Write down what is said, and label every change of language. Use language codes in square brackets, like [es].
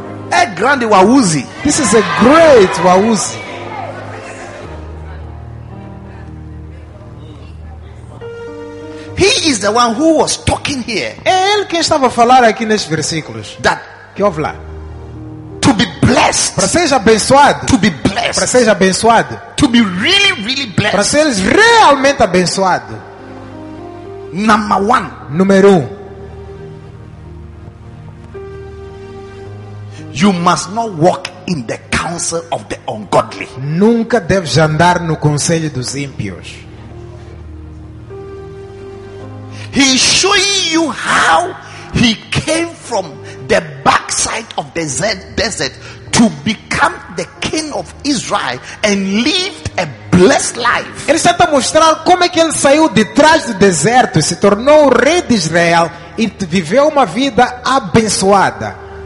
[pt] É grande Wauzi. [en] This is a great Wauzi. He is the one who was talking here. [pt] É ele quem estava a falar aqui nesses versículos. [en] That [pt] que houve lá. [en] To be blessed. [pt] Para seja abençoado. [en] To be blessed. [pt] Para seja abençoado. [en] To be really, really blessed. [pt] Para ser realmente abençoado. [en] Number one. [pt] Número um. [en] You must not walk in the counsel of the ungodly. [pt] Nunca deves andar no conselho dos ímpios. [en] He is showing you how he came from the backside of the desert to become the king of Israel and lived a blessed life. [pt] Ele está a mostrar como é que ele saiu de trás do deserto e se tornou o rei de Israel e viveu uma vida abençoada.